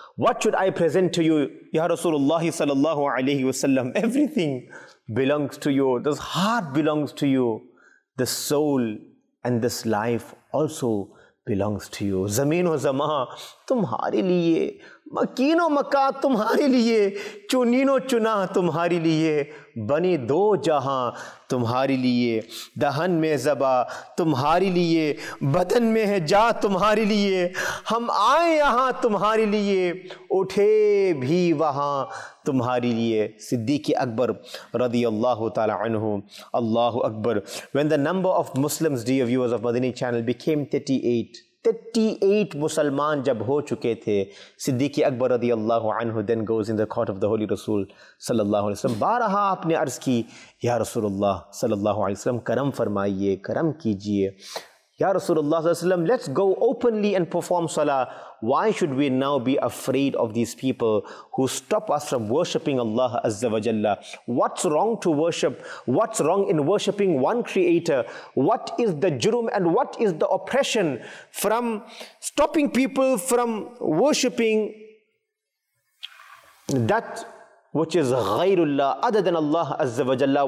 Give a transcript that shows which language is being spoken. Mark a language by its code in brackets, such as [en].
[en] What should I present to you [ar] یا رسول اللہ صلی اللہ علیہ وسلم؟ [en] Everything belongs to you. This heart belongs to you. This soul and this life also belongs to you. [ur] زمین و زمان تمہارے لیے, مکین و مکان تمہارے لیے, چنین و چنا تمہارے لیے, بنے دو جہاں تمہارے لیے, دہن میں زبا تمہارے لیے, بدن میں ہے جا تمہارے لیے, ہم آئے یہاں تمہارے لیے, اٹھے بھی وہاں تمہارے لیے. صدیق اکبر رضی اللہ تعالی عنہ. [ar] اللہ اکبر. [en] When the number of Muslims, dear viewers of Madani channel, became 38 [ur] مسلمان جب ہو چکے تھے, [en] صدیقی اکبر رضی اللہ عنہ then goes in the court of the Holy Rasul صلی اللہ علیہ وسلم. [ur] بارہا آپ نے عرض کی, یا رسول اللہ صلی اللہ علیہ وسلم کرم فرمائیے, کرم کیجئے. [ar] یا رسول اللہ صلی اللہ علیہ وسلم, [en] let's go openly and perform salah. Why should we now be afraid of these people who stop us from worshipping Allah Azza wa Jalla? What's wrong to worship? What's wrong in worshipping one creator? What is the jurum and what is the oppression from stopping people from worshipping that which is ghairullah, other than Allah Azza wa Jalla?